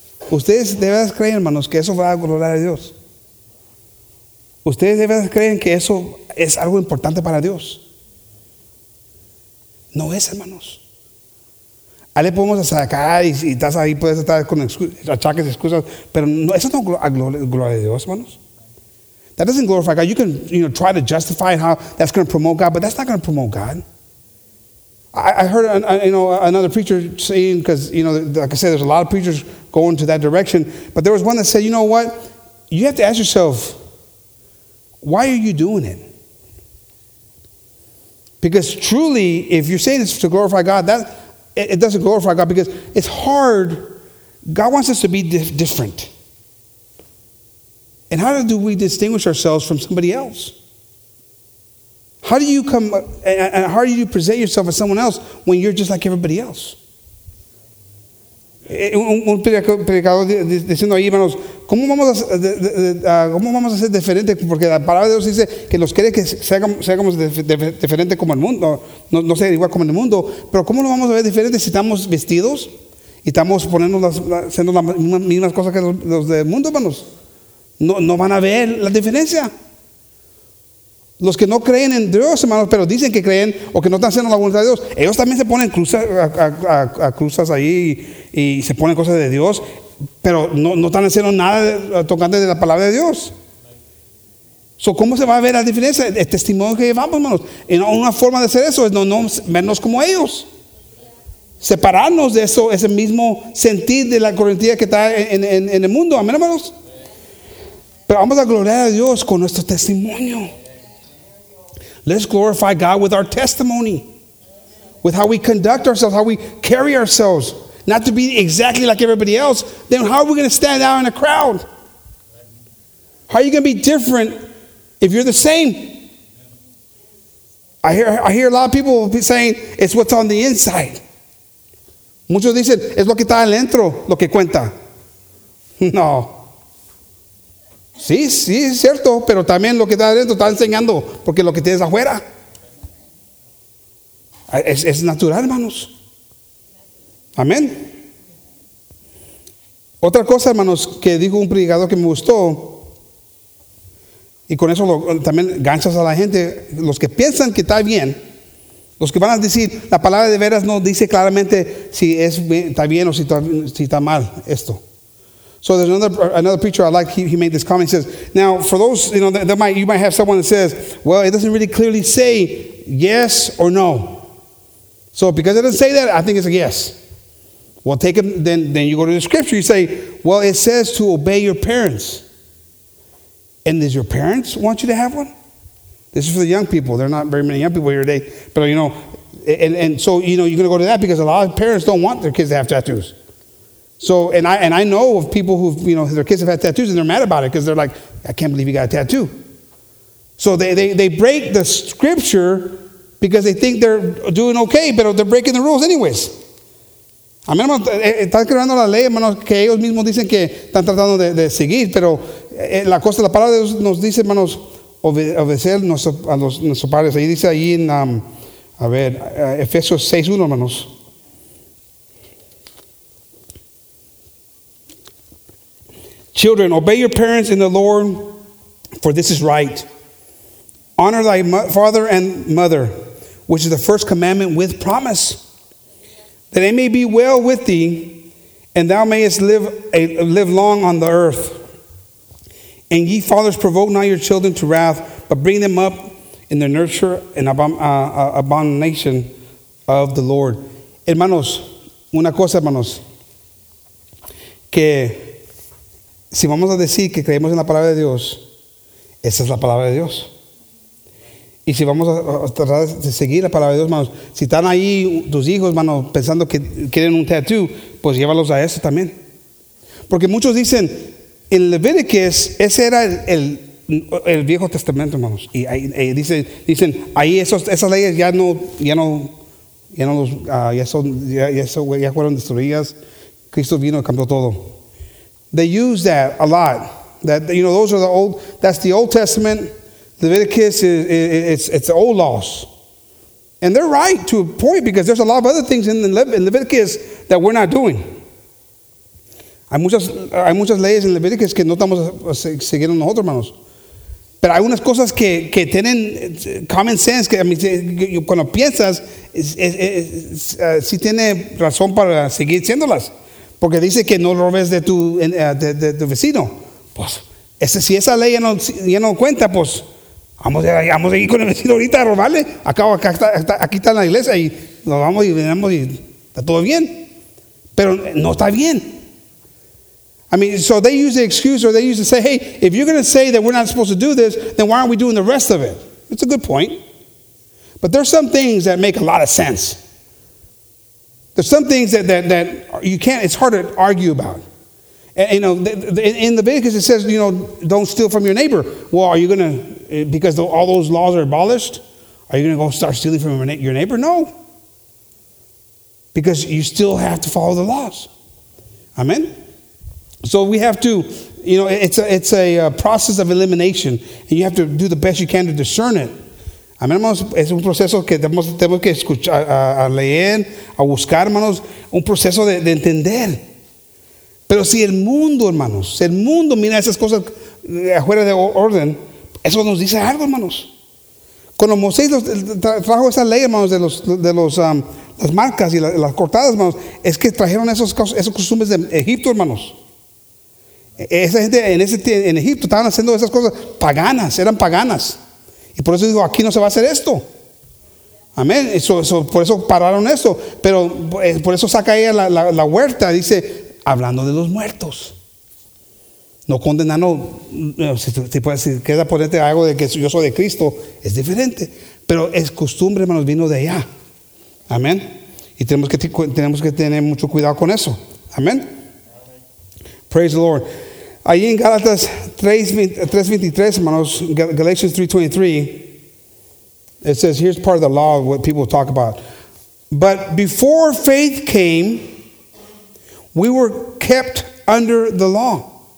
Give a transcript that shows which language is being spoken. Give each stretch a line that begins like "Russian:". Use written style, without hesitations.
Spanish: Ustedes deben creer, hermanos, que eso va a glorificar a Dios. Ustedes deben creer que eso es algo importante para Dios. No es, hermanos. Ahí le podemos sacar y estás ahí, puedes estar con achaques y excusas, pero no, eso no gloria de Dios, hermanos.
English: That doesn't glorify God. You can, you know, try to justify how that's going to promote God, but that's not going to promote God. I heard, you know, another preacher saying, because, you know, like I said, there's a lot of preachers going to that direction, but there was one that said, you know what? You have to ask yourself, why are you doing it? Because truly, if you're saying it's to glorify God, that it doesn't glorify God, because it's hard. God wants us to be different. And how do we distinguish ourselves from somebody else? How do you come and how do you present yourself as someone else when you're just like everybody else?
Spanish: Un predicador diciendo ahí, hermanos, ¿cómo vamos a ser diferente? Porque la palabra de Dios dice que los quiere que seamos diferentes como el mundo, no ser igual como el mundo, pero ¿cómo lo vamos a ver diferente si estamos vestidos y estamos poniendo haciendo las mismas cosas que los del mundo, hermanos? No van a ver la diferencia. Los que no creen en Dios, hermanos, pero dicen que creen o que no están haciendo la voluntad de Dios, ellos también se ponen cruzas ahí y se ponen cosas de Dios, pero no están haciendo nada tocante de la palabra de Dios. So, ¿cómo se va a ver la diferencia? El testimonio que llevamos, hermanos. Y una forma de hacer eso es no vernos como ellos. Separarnos de eso, ese mismo sentir de la corrientía que está en el mundo. Amén, hermanos. Pero vamos a gloriar a Dios con nuestro testimonio.
English: Let's glorify God with our testimony, with how we conduct ourselves, how we carry ourselves, not to be exactly like everybody else. Then how are we going to stand out in a crowd? How are you going to be different if you're the same? I hear a lot of people be saying, it's what's on the inside.
Spanish: Muchos dicen, es lo que está adentro lo que cuenta. No. Sí, sí, es cierto, pero también lo que está adentro está enseñando, porque lo que tienes afuera es natural, hermanos. Amén. Otra cosa, hermanos, que dijo un predicador que me gustó, y con eso también ganchas a la gente, los que piensan que está bien, los que van a decir, la palabra de veras no dice claramente si está bien o si está mal esto.
English: So there's another preacher I like. He made this comment. He says, now, for those, you know, you might have someone that says, well, it doesn't really clearly say yes or no. So because it doesn't say that, I think it's a yes. Well, then you go to the scripture. You say, well, it says to obey your parents. And does your parents want you to have one? This is for the young people. There are not very many young people here today. But, you know, and so, you know, you're going to go to that because a lot of parents don't want their kids to have tattoos. So, and I know of people who, you know, their kids have had tattoos and they're mad about it because they're like, I can't believe you got a tattoo. So they break the scripture because they think they're doing okay, but they're breaking the rules anyways.
Spanish: A mí, están creando la ley, hermanos, que ellos mismos dicen que están tratando de seguir, pero la cosa, la palabra de Dios nos dice, hermanos, obedecer a nuestros padres. Ahí dice ahí en, a ver, Efesios 6:1, hermanos.
English: Children, obey your parents in the Lord, for this is right. Honor thy father and mother, which is the first commandment with promise, that it may be well with thee, and thou mayest live long on the earth. And ye fathers, provoke not your children to wrath, but bring them up in the nurture and abomination of the Lord.
Spanish: Hermanos, una cosa, hermanos, que si vamos a decir que creemos en la palabra de Dios, esa es la palabra de Dios. Y si vamos a tratar de seguir la palabra de Dios, hermanos, si están ahí tus hijos, hermanos, pensando que quieren un tattoo, pues llévalos a eso también. Porque muchos dicen, en Leviticus, ese era el Viejo Testamento, hermanos. Y ahí dicen, ahí esas leyes ya no los, ya fueron destruidas. Cristo vino y cambió todo.
English: They use that a lot. That, you know, those are the old, that's the Old Testament. Leviticus, it's the old laws. And they're right to a point, because there's a lot of other things in Leviticus that we're not doing.
Spanish: Hay muchas leyes en Leviticus que no estamos siguiendo nosotros, hermanos. Pero hay unas cosas que tienen
English: common sense,
Spanish: que cuando piensas, sí tiene razón para seguir haciéndolas. Porque dice que no robes de tu vecino. Pues, si esa ley ya no cuenta, pues, vamos a ir con el vecino ahorita a robarle. Aquí está en la iglesia y nos vamos y venimos y está todo bien. Pero no está bien.
English: I mean, so they use the excuse, or they use to say, hey, if you're going to say that we're not supposed to do this, then why aren't we doing the rest of it? It's a good point. But there's some things that make a lot of sense. There's some things that you can't, it's hard to argue about. And, you know, in the Leviticus, it says, you know, don't steal from your neighbor. Well, are you going to, because all those laws are abolished, are you going to go start stealing from your neighbor? No. Because you still have to follow the laws. Amen? So we have to, you know, it's a process of elimination, and you have to do the best you can to discern it.
Spanish: Amén, hermanos, es un proceso que tenemos que escuchar, a leer, a buscar, hermanos, un proceso de entender. Pero si el mundo, hermanos, el mundo mira esas cosas afuera de orden, eso nos dice algo, hermanos. Cuando Moisés trajo esa ley, hermanos, de los las marcas y las cortadas, hermanos, es que trajeron esos costumbres de Egipto, hermanos. Esa gente en Egipto estaban haciendo esas cosas paganas, eran paganas. Y por eso dijo, aquí no se va a hacer esto. Amén. Eso, por eso pararon eso. Pero por eso saca ella la huerta, dice, hablando de los muertos. No condenando, si queda ponerte algo de que yo soy de Cristo, es diferente. Pero es costumbre, hermanos, vino de allá. Amén. Y tenemos que tener mucho cuidado con eso.
English: Amén. Praise the Lord.
Spanish: Ahí en Gálatas 3:23, hermanos,
English: Galatians 3:23, it says, here's part of the law of what people talk about. But before faith came, we were kept under the law.